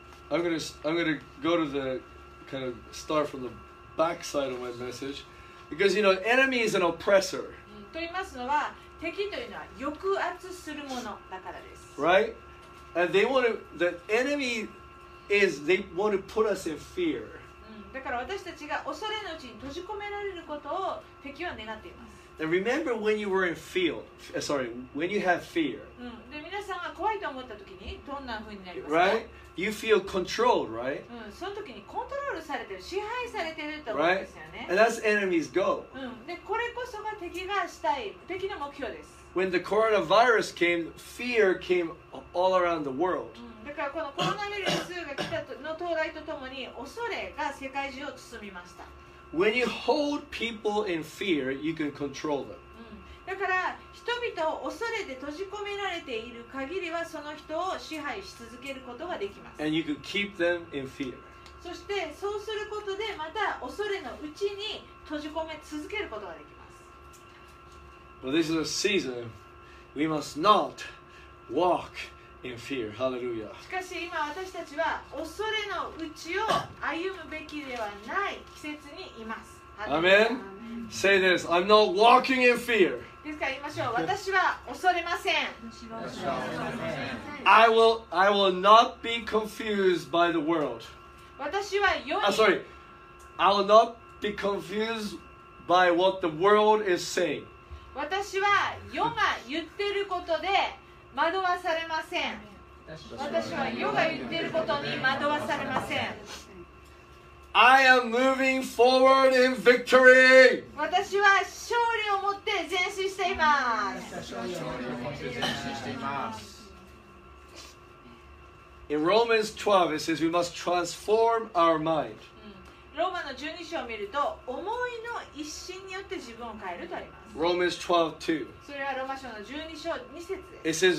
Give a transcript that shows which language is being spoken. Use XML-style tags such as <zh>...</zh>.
<en>I'm gonna go to the kind of start from the back side of my message because you know enemy is an oppressor.</en> <ja>と言いますのは、敵というのは抑圧するものだからです。</ja> <en>Right? And they want to, the enemy is, they want to put us in fear.</en> <ja>だから私たちが恐れのうちに閉じ込められることを敵は願っています。</ja> <en>And remember when you were in fear, sorry, when you have fear、</en> <ja>で皆さんが怖いと思った時にどんな風になりますか、</ja> <en>right? You feel controlled, right?、</en> <ja>その時にコントロールされてる、支配されてると思うんですよね、</ja> <en>right? And that's enemy's goal、</en> <ja>でこれこそが敵がしたい、敵の目標です。</ja> <en>When the coronavirus came, fear came all around the world、</en> <ja>だからこのコロナウイルスが来たの到来とともに恐れが世界中を包みました。</ja> <en>When you hold people in fear, you can control them.</en> <ja>だから人々を恐れて閉じ込められている限りはその人を支配し続けることができます。</ja> <en>And you can keep them in fear.</en> <ja>そしてそうすることでまた恐れのうちに閉じ込め続けることができます。</ja> <en>Well, this is a season we must not walk in fear. Hallelujah.</en> <ja>しかし今私たちは恐れのうちを歩むべきではない季節にいます。</ja> <en>Amen. Say this. I'm not walking in fear.</en> <ja>ですから言いましょう。私は恐れません。</ja> <en>I will not be confused by the world.</en> <ja>私は良い、</ja> <en>sorry. I will not be confused by what the world is saying.</en> <ja>私は世が言ってることで惑わされません。私は世が言っていることに惑わされません。</ja> <en>I am moving forward in victory.</en> <ja>私は勝利を持って前進しています。</ja> <en>In Romans 12, it says we must transform our mind.</en> <ja>ローマの12章を見ると、思いの一心によって自分を変えるとあります。</ja> <en>Romans 12, 2.</en> <ja>それはローマ書の12章2節です。</ja>